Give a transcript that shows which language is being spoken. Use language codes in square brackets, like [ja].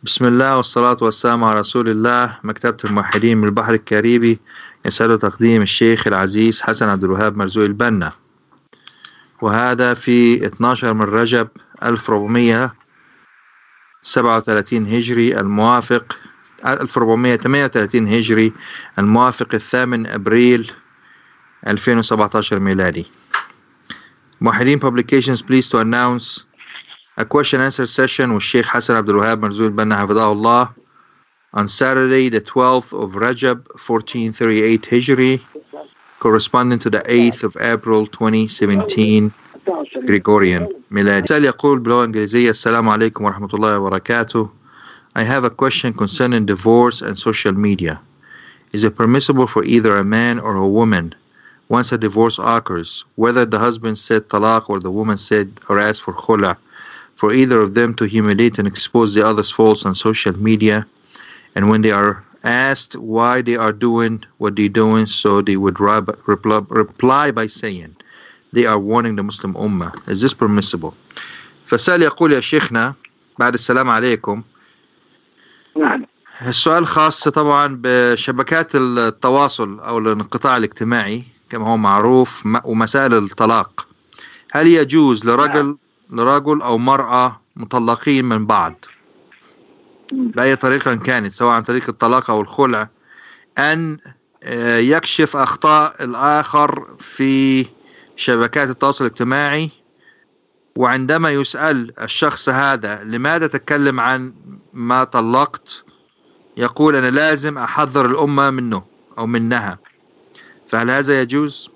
[ar] بسم الله والصلاة والسلام على رسول الله. مكتبة الموحدين من البحر الكاريبي يسعد تقديم الشيخ العزيز حسن عبد الوهاب مرزوق البنا، وهذا في 12 من رجب 1437 هجري الموافق 1438 هجري الموافق 8 أبريل 2017 ميلادي. [en] موحدين Publications pleased to announce a question answer session with Sheikh Hassan Abdul Wahab Marzul Banna Hafidah Allah on Saturday the 12th of Rajab 1438 Hijri, corresponding to the 8th of April 2017 Gregorian Miladi. [ar] سأل يقول بلغة إنجليزية: السلام عليكم ورحمة الله وبركاته. [en] I have a question concerning divorce and social media. Is it permissible for either a man or a woman, once a divorce occurs, whether the husband said talaq or the woman said or asked for khula, for either of them to humiliate and expose the other's faults on social media, and when they are asked why they are doing what they're doing, so they would reply by saying they are warning the Muslim Ummah. Is this permissible? [ar] فسأل يقول يا شيخنا بعد السلام عليكم. السؤال خاص طبعا بشبكات التواصل أو الانقطاع الاجتماعي كما هو معروف ومسائل الطلاق. هل يجوز لرجل أو مرأة مطلقين من بعض بأي طريقة كانت، سواء عن طريق الطلاق أو الخلع، أن يكشف أخطاء الآخر في شبكات التواصل الاجتماعي؟ وعندما يسأل الشخص هذا لماذا تكلم عن ما طلقت، يقول أنا لازم أحذر الأمة منه أو منها، فهل هذا يجوز؟